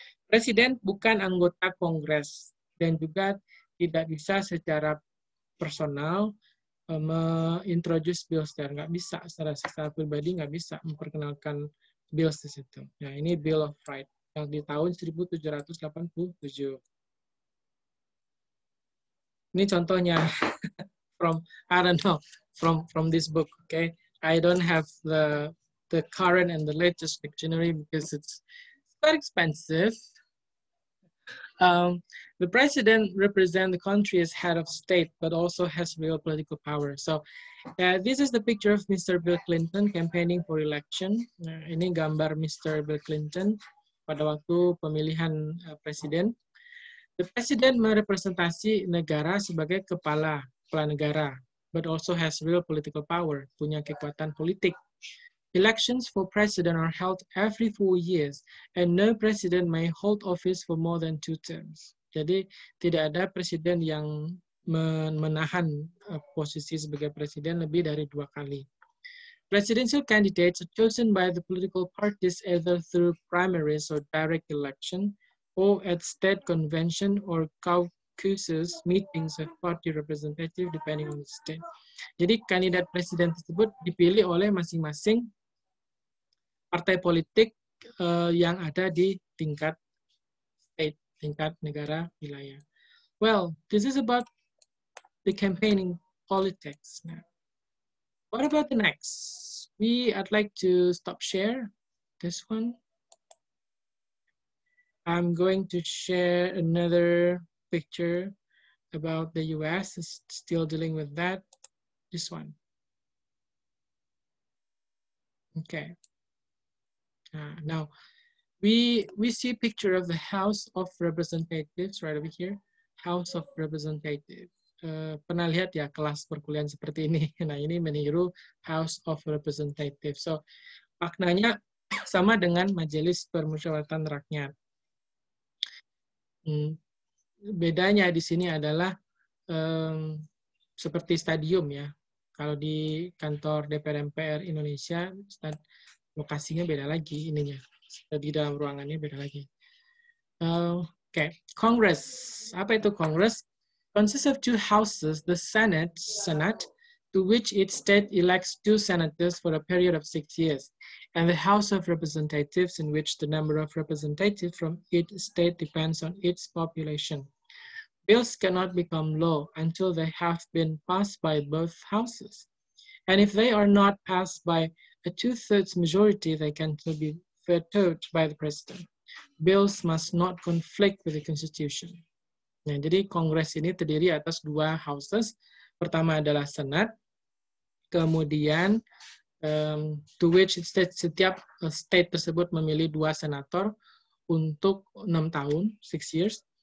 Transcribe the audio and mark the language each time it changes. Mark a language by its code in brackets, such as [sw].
[id] Presiden bukan anggota Kongres dan juga tidak bisa secara personal [en] introduce bills there. [id] Nggak bisa secara pribadi, nggak bisa memperkenalkan bills di situ. Nah, ini Bill of Rights yang di tahun 1787. Ini contohnya [en] from I don't know from this book, okay? I don't have the current and the latest dictionary because it's quite expensive. The president represents the country as head of state but also has real political power. So this is the picture of Mr. Bill Clinton campaigning for election. [id] Ini gambar Mr. Bill Clinton pada waktu pemilihan presiden. [en] The president [id] merepresentasi negara sebagai kepala negara, [en] but also has real political power, [id] punya kekuatan politik. [en] Elections for president are held every 4 years, and no president may hold office for more than 2 terms. [id] Jadi, tidak ada presiden yang menahan posisi sebagai presiden lebih dari 2 kali. [en] Presidential candidates are chosen by the political parties either through primaries or direct election or at state convention or caucuses meetings of party representative depending on the state. [id] Jadi kandidat presiden tersebut dipilih oleh masing-masing partai politik yang ada di tingkat state, tingkat negara wilayah. [en] Well, this is about the campaigning politics now. What about the next? I'd like to stop share this one. I'm going to share another picture about the US, still dealing with that, this one. Okay. Now, we see a picture of the House of Representatives right over here, House of Representatives. [id] Pernah lihat ya kelas perkuliahan seperti ini. Nah, ini meniru House of Representatives. So, maknanya sama dengan Majelis Permusyawaratan Rakyat. Bedanya di sini adalah seperti stadium ya. Kalau di kantor DPR MPR Indonesia, Ustaz, lokasinya beda lagi ininya. Di dalam ruangannya beda lagi. Okay. Congress. Apa itu Congress? [en] Consists of two houses, the Senate, to which each state elects two senators for a period of 6 years, and the House of Representatives, in which the number of representatives from each state depends on its population. Bills cannot become law until they have been passed by both houses. And if they are not passed by a two-thirds majority, they can still be vetoed by the president. Bills must not conflict with the Constitution. [id] Nah, jadi Kongres ini terdiri atas dua houses. Pertama adalah Senat, kemudian [en] to which state, [id] setiap state tersebut memilih dua senator untuk 6 tahun, [en] 6 years.